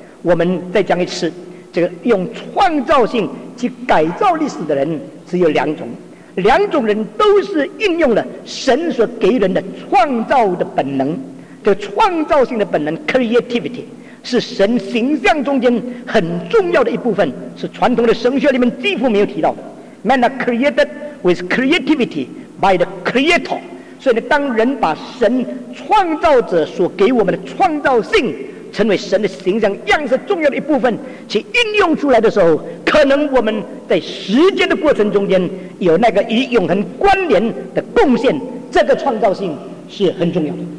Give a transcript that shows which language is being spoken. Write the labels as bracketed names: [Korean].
[Chinese] 我们再讲一次，这个用创造性去改造历史的人只有两种，两种人都是应用了神所给人的创造的本能。这个创造性的本能 creativity 是神形象中间很重要的一部分，是传统的神学里面几乎没有提到的。 [English] Man are created with creativity by the creator。 [Chinese] 所以呢，当人把神创造者所给我们的创造性成为神的形象样式重要的一部分去应用出来的时候，可能我们在时间的过程中间有那个与永恒关联的贡献，这个创造性是很重要的。